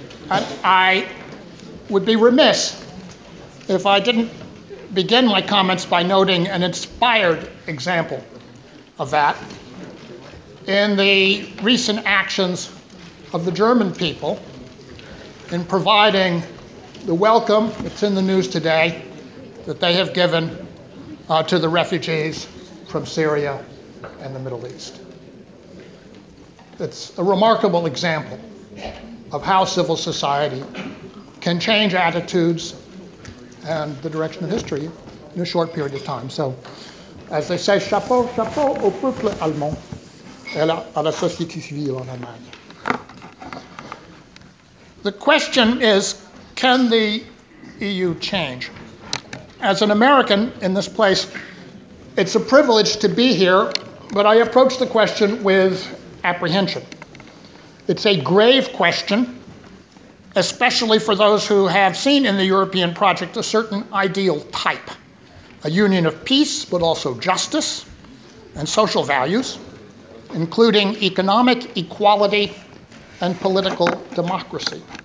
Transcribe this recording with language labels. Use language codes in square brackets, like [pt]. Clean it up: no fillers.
[en] And I would be remiss if I didn't begin my comments by noting an inspired example of that in the recent actions of the German people in providing the welcome, it's in the news today, that they have given to the refugees from Syria and the Middle East. It's a remarkable example of how civil society can change attitudes and the direction of history in a short period of time. So, as they say, [fr] chapeau, chapeau au peuple allemand et à la société civile en Allemagne. [en] The question is, can the EU change? As an American in this place, it's a privilege to be here, but I approach the question with apprehension. It's a grave question, especially for those who have seen in the European project a certain ideal type, a union of peace, but also justice and social values, including economic equality and political democracy.